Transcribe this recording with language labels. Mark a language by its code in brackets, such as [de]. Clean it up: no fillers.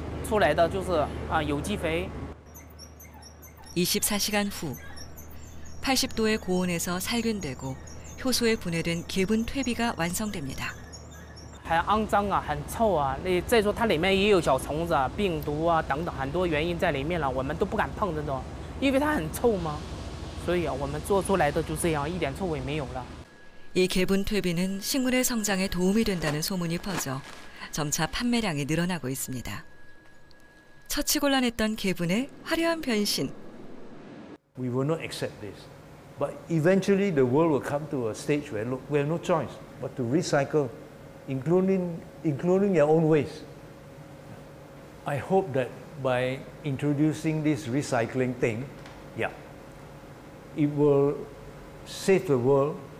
[zh] 这个控制盘呢就控制它机器里面的温度啊，各是风扇呐等等啊，然后再调它里面的，在24小时之内出来的就是啊有机肥。 [ko] 24시간 후 80도의 고온에서 살균되고 효소에 분해된 개분 퇴비가 완성됩니다. [zh] 很肮脏啊，很臭啊！那再说它里面也有小虫子、病毒啊等等很多原因在里面了，我们都不敢碰这种，因为它很臭嘛。所以啊，我们做出来的就这样，一点臭味没有了。 [ko] 이 개분 퇴비는 식물의 성장에 도움이 된다는 소문이 퍼져 점차 판매량이 늘어나고 있습니다. 처치곤란했던 개분의 화려한 변신. [en] We will not accept this, but eventually the world will come to a stage where we have no choice but to recycle. Including your own waste. I hope that by introducing this recycling thing, yeah, it will save the world